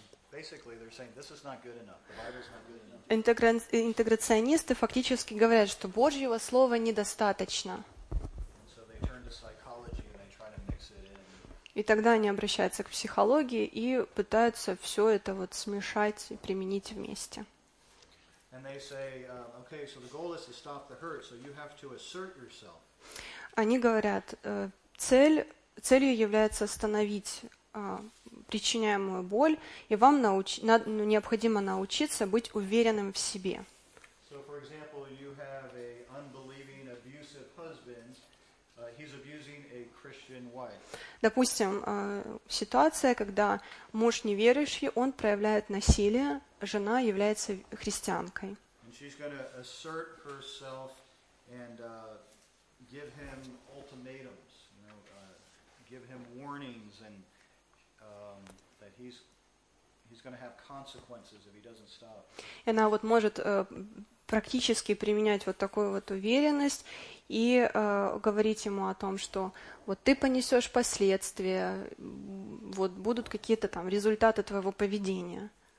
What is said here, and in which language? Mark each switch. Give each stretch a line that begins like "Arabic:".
English: Basically, they're saying this is not good enough. The Bible's not good enough.
Russian: Интеграционисты фактически говорят, что Божьего слова недостаточно.
English: So they turn to psychology and they try to mix it in.
Russian: И тогда они обращаются к психологии и пытаются все это вот смешать и применить вместе.
English: And they say, okay, so the goal is to stop the hurt, so you have to assert yourself.
Russian: Они говорят, целью является остановить причиняемую боль, и вам необходимо научиться быть уверенным в себе.
English: So, for example, you have an unbelieving, abusive husband, He's abusing a Christian wife.
Russian: Допустим, ситуация, когда муж неверующий, он проявляет насилие, жена является христианкой.
English: And she's going to assert herself and give him ultimatums, you know, give him warnings and that he's going to have consequences if he doesn't stop.
Russian: Она вот может практически применять вот такую вот уверенность и говорить ему о том, что вот ты понесешь последствия, вот будут какие-то там результаты твоего поведения.